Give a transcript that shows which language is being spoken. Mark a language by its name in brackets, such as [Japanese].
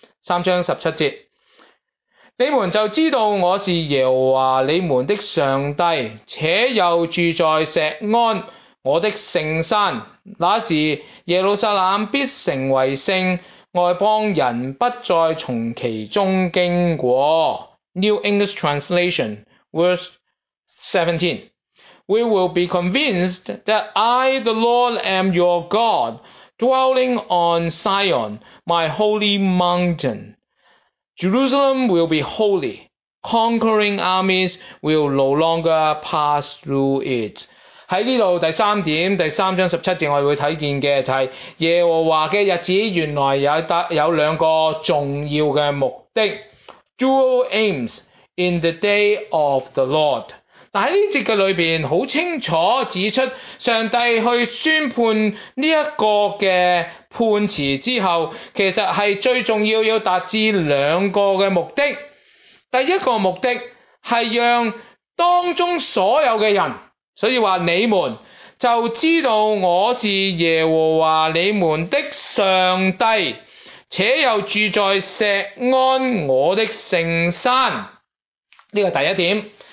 [Chinese] 三章十七节，你们就知道我是耶和华你们的上帝，且又住在锡安我的圣山，那时耶路撒冷必成为圣，外邦人不再从其中经过。 [English] New English Translation Verse 17 We will be convinced that I the Lord am your GodDwelling on Zion, my holy mountain. Jerusalem will be holy. Conquering armies will no longer pass through it. [Chinese] 在这里第三点，第三章十七节，我们会看见的就是耶和华的日子原来 有两个重要的目的。 [English] Dual aims in the day of the Lord. [Chinese] 但在这节的里面很清楚指出，上帝去宣判这个的判词之后，其实是最重要要达至两个的目的。第一个目的是让当中所有的人，所以说你们就知道我是耶和华你们的上帝，且又住在锡安我的圣山。这个第一点。